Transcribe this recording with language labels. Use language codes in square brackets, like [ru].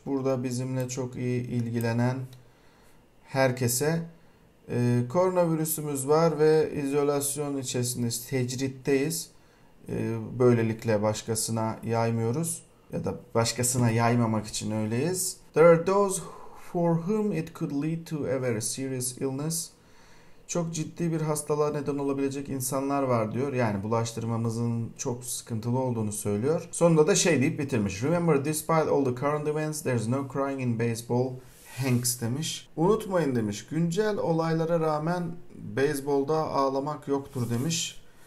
[tr] Burada bizimle çok iyi ilgilenen herkese koronavirüsümüz var ve izolasyon içerisindeyiz, tecritteyiz. Böylelikle başkasına yaymıyoruz ya da başkasına yaymamak için öyleyiz. [en] There are those for whom it could lead to a very serious illness. [tr] Çok ciddi bir hastalığa neden olabilecek insanlar var diyor. Yani bulaştırmamızın çok sıkıntılı olduğunu söylüyor. Sonunda da şey deyip bitirmiş. [en] Remember, despite all the current events, there's no crying in baseball. [tr] Hanks demiş. Unutmayın demiş. Güncel olaylara rağmen beyzbolda ağlamak yoktur demiş.